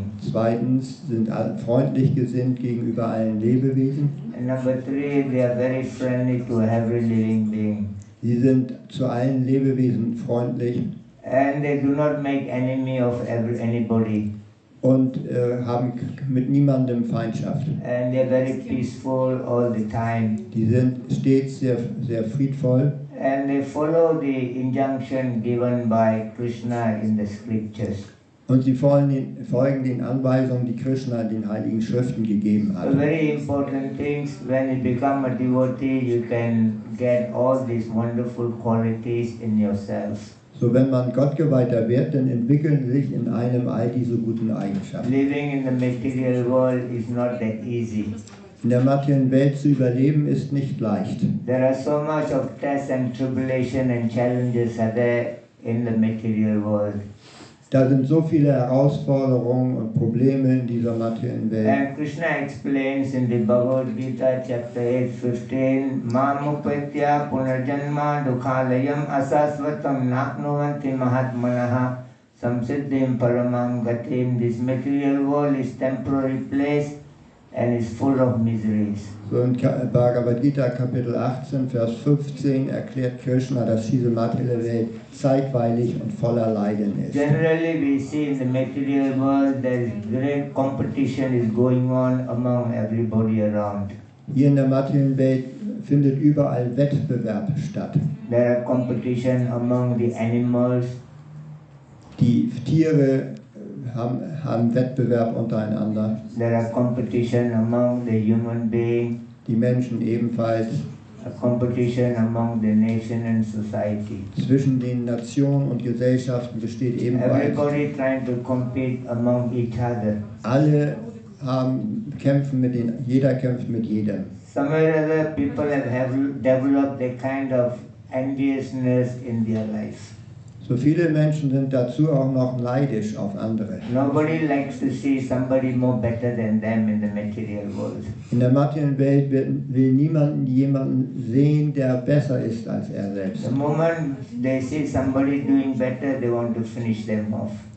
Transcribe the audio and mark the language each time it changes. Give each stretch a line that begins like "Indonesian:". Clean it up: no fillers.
German: Zweitens sind sie freundlich gesinnt gegenüber allen Lebewesen.
English: And number three, they are very friendly to every living being.
German: Sie sind zu allen Lebewesen freundlich.
English: And they do not make enemy of anybody.
German: Und haben mit niemandem Feindschaft.
English: And they are very peaceful all the time.
German: Die sind stets sehr, sehr friedvoll.
English: And they follow the injunction given by Krishna in the scriptures.
German: Und sie folgen den Anweisungen, die Krishna in den heiligen Schriften gegeben hat.
English: So very important things, when you become a devotee, you can get all these wonderful qualities in yourself.
German: So wenn man Gottgeweihter wird, dann entwickeln sich in einem all diese guten Eigenschaften.
English: Living in the material world is not that easy.
German: In der materiellen Welt zu überleben ist nicht leicht.
English: There are so much of tests and tribulation and challenges are there in the material world.
German: Da sind so viele Herausforderungen und Probleme in dieser materiellen Welt.
English: And Krishna explains in the Bhagavad Gita chapter 8:15,
Sanskrit: Mamupatya punarjanma dukhalayam asasvatam naknuvanti mahatmanaha samsiddhim paramam gatim.
English: This material world is temporary place and is full of miseries.
German: So in Bhagavad Gita Kapitel 18 Vers 15 erklärt Krishna, dass diese materielle Welt zeitweilig und voller Leiden ist.
English: Generally we see in the material world there is great competition is going on among everybody around.
German: Hier in der materiellen Welt findet überall Wettbewerb statt.
English: There are competition among the animals.
German: Die Tiere haben Wettbewerb untereinander.
English: There are competition among the human being.
German: Die Menschen ebenfalls.
English: A competition among the nation and society.
German: Zwischen den Nationen und Gesellschaften besteht ebenfalls.
English: Everybody trying to compete among each other.
German: Alle kämpfen mit den. Jeder kämpft mit jedem.
English: Some other people have developed a kind of enviousness in their life.
German: So So viele Menschen sind dazu auch noch neidisch auf andere.
English: Nobody likes to see somebody more better than them in the material world.
German: In der materiellen Welt will niemand jemanden sehen, der besser ist als er selbst.
English: The moment they see somebody doing better, they want to finish them off.